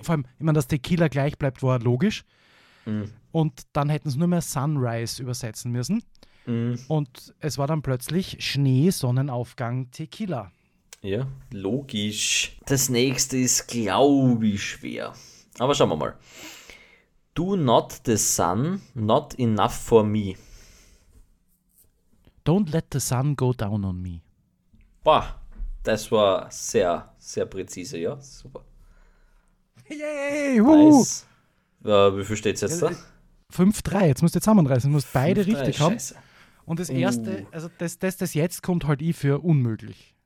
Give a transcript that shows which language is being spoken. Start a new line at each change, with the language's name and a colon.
German: Vor allem, ich meine, dass Tequila gleich bleibt, war logisch. Mhm. Und dann hätten sie nur mehr Sunrise übersetzen müssen. Mhm. Und es war dann plötzlich Schnee, Sonnenaufgang, Tequila. Ja, logisch. Das nächste ist, glaube ich, schwer. Aber schauen wir mal.
English: Do not the sun, not enough for me. Don't let the sun go down on me.
German: Boah, das war sehr, sehr präzise, ja. Super. Yay, wuhu.
English: Nice.
German: Wie viel steht es jetzt da? 5-3, jetzt musst du zusammenreißen, du musst beide 5, richtig 3, haben. Scheiße. Und das erste, also das jetzt kommt halt ich für unmöglich.